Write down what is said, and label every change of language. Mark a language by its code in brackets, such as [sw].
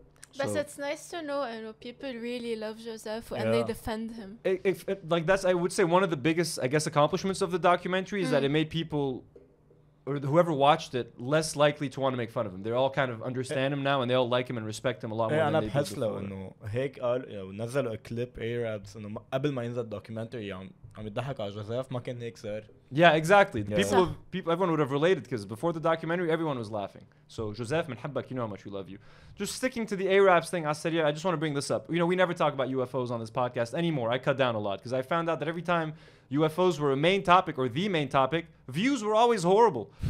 [en] So. But it's nice to know, you know, people really love Joseph and they defend him. I would say one of the biggest, I guess, accomplishments of the documentary is that it made people, or whoever watched it, less likely to want to make fun of him. They all kind of understand him now, and they all like him and respect him a lot more than they did before. [ar] إنه هيك قال نزل كليب Ayyrabs إنه قبل ما ينزل documentary عم يضحك على جوزيف ما كان هيك صار. [en] Yeah, exactly. Everyone would have related because before the documentary, everyone was laughing. So Joseph, [ar] من حبك, [en] you know how much we love you. Just sticking to the Ayyrabs thing, I just want to bring this up. You know, we never talk about UFOs on this podcast anymore. I cut down a lot because I found out that every time UFOs were a main topic or the main topic, views were always horrible.